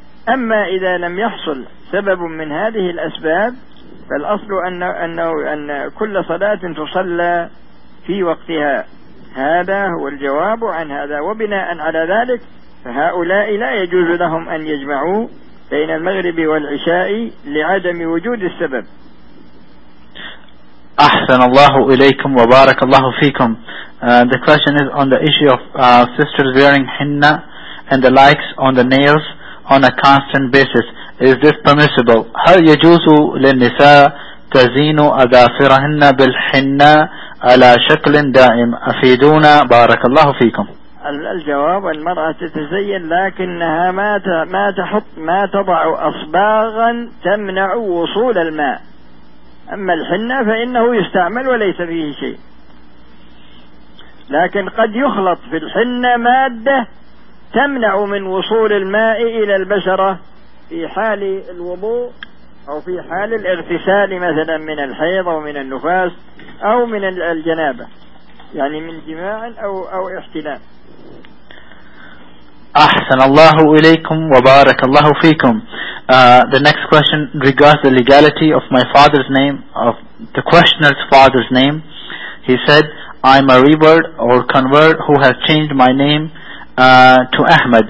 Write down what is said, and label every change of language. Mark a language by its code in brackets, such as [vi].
[ar] أما إذا لم يحصل سبب من هذه الأسباب فالأصل أن كل صلاة تصلى في وقتها. هذا هو الجواب عن هذا. وبناء على ذلك فهؤلاء لا يجوز لهم أن يجمعوا بين المغرب والعشاء لعدم وجود السبب. أحسن الله إليكم وبارك الله فيكم. [en] The question is on the issue of sisters wearing henna and the likes on the nails on a constant basis. Is this permissible? [ar] هل يجوز للنساء تزين أظافرهن بالحنة على شكل دائم؟ أفيدونا بارك الله فيكم. الجواب، المرأة تتزين لكنها ما تضع أصباغا تمنع وصول الماء، أما الحنة فإنه يستعمل وليس فيه شيء، لكن قد يخلط في الحنة مادة تمنع من وصول الماء إلى البشرة في حال الوضوء أو في حال الاغتسال مثلا من الحيض أو من النفاس أو من الجنابة، يعني من جماع أو احتلام. أحسن الله إليكم وبارك الله فيكم. [en] The next question regards the legality of my father's name, of the questioner's father's name. He said, I'm a revert or convert who has changed my name to Ahmed.